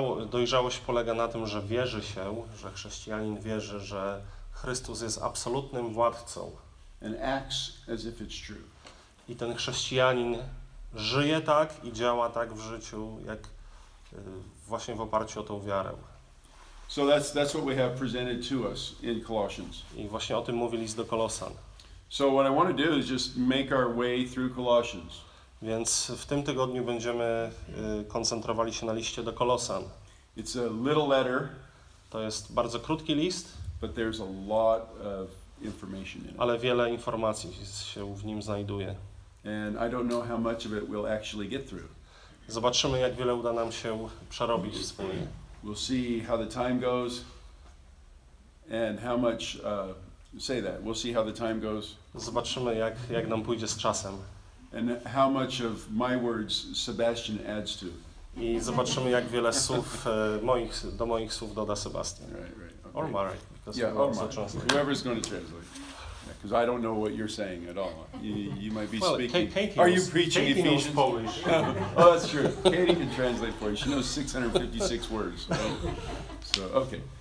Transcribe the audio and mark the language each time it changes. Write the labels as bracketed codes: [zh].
[pl] Dojrzałość polega na tym, że wierzy się, że chrześcijanin wierzy, że Chrystus jest absolutnym władcą. [en] And acts as if it's true. [pl] I ten chrześcijanin żyje tak i działa tak w życiu, jak właśnie w oparciu o tą wiarę. [en] So that's what we have presented to us in Colossians. [pl] I właśnie o tym mówi list do Kolosan. [en] So what I want to do is just make our way through Colossians. [pl] Więc w tym tygodniu będziemy koncentrowali się na liście do Kolosan. [en] It's a little letter. [pl] To jest bardzo krótki list. [en] But there's a lot of information in it. [pl] Ale wiele informacji się w nim znajduje. [en] And I don't know how much of it we'll actually get through. [pl] Zobaczymy, jak wiele uda nam się przerobić wspólnie. [en] We'll see how the time goes and how much say that. We'll see how the time goes. [pl] Zobaczymy, jak nam pójdzie z czasem. [en] And how much of my words Sebastian adds to. [pl] I zobaczymy, jak wiele słów do moich słów doda Sebastian. [en] Right, okay. Or Mary. Yeah, or Mary. Whoever's going to translate. Because I don't know what you're saying at all. You might be speaking. Are you preaching Ephesians? Katie knows Polish. Oh, that's true. Katie can translate for you. She knows 656 words. So okay.